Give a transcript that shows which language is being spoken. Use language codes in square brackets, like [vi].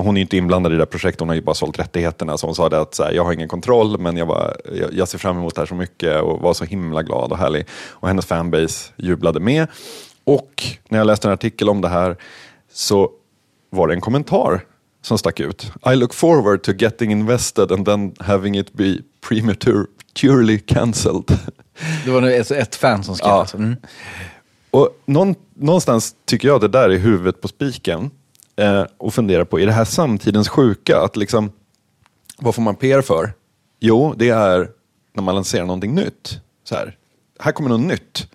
[sv] Hon är inte inblandad i det projektet, hon har ju bara sålt rättigheterna. Så hon sa det att så här, jag har ingen kontroll, men jag ser fram emot det här så mycket och var så himla glad och härlig. Och hennes fanbase jublade med. Och när jag läste en artikel om det här så var det en kommentar som stack ut. [en] I look forward to getting invested and then having it be prematurely cancelled. [sv] Det var nu ett fan som skrev. Ja. Och någonstans tycker jag att det där är huvudet på spiken och funderar på, är det här samtidens sjuka? Att liksom, vad får man PR för? Jo, det är när man lanserar någonting nytt. Så här, här kommer något nytt.